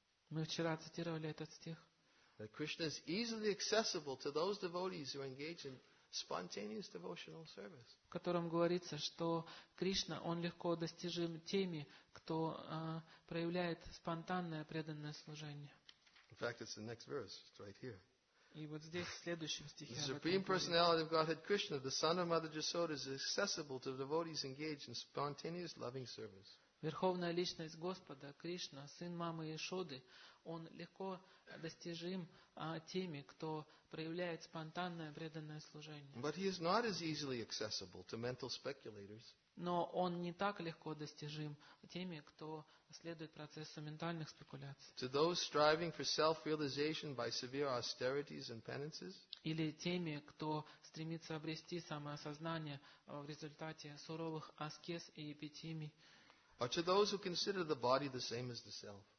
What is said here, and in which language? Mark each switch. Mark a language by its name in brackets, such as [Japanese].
[Russian] Мы вчера цитировали этот стих. [English] Krishna is easily accessible to those devotees who engage in spontaneous devotional service. [Russian] В котором говорится, что Кришна, Он легко достижим теми, кто проявляет спонтанное преданное служение. [English] In fact, it's the next verse, it's right here. [Russian] И вот здесь, в следующем стихе. [English] The Supreme Personality of Godhead Krishna, the Son of Mother Jasoda, is accessible to devotees engaged in spontaneous loving service. [Russian] Верховная Личность Господа, Кришна, Сын Мамы Яшоды, Он легко достижим теми, кто проявляет спонтанное преданное служение. [English] But He is not as easily accessible to mental speculators. [Russian] Но Он не так легко достижим теми, кто следует процессу ментальных спекуляций. [English] To those striving for self-realization by severe austerities and penances. [Russian] Или теми, кто стремится обрести самоосознание в результате суровых аскез и эпитимий. [English] Or to those who consider the body the same as the self.